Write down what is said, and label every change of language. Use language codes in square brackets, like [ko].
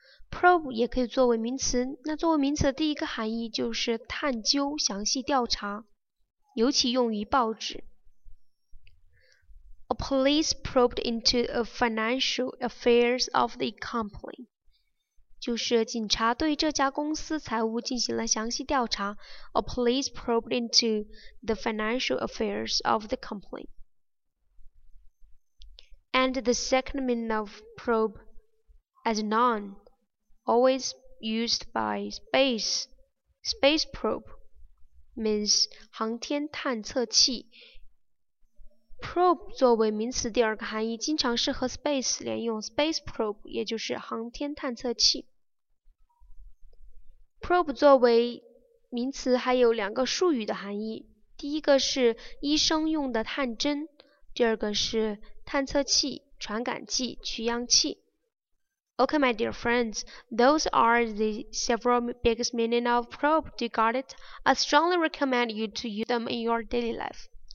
[zh] Probe 也可以作为名词，那作为名词的第一个含义就是探究、详细调查，尤其用于报纸。 [en] A police probed into the financial affairs of the company. [zh] 就是警察对这家公司财务进行了详细调查。 [en] A police probed into the financial affairs of the company. And the second meaning of probe as a noun, always used by space. Space probe means [zh] 航天探测器。 Probe 作为名词第二个含义经常是和 space 连用 space probe 也就是航天探测器。 Probe 作为名词还有两个术语的含义，第一个是医生用的探针，第二个是探测器、传感器、取样器。 [en] Okay, my dear friends, those are the several biggest meaning of probe. Do you got it? I strongly recommend you to use them in your daily life.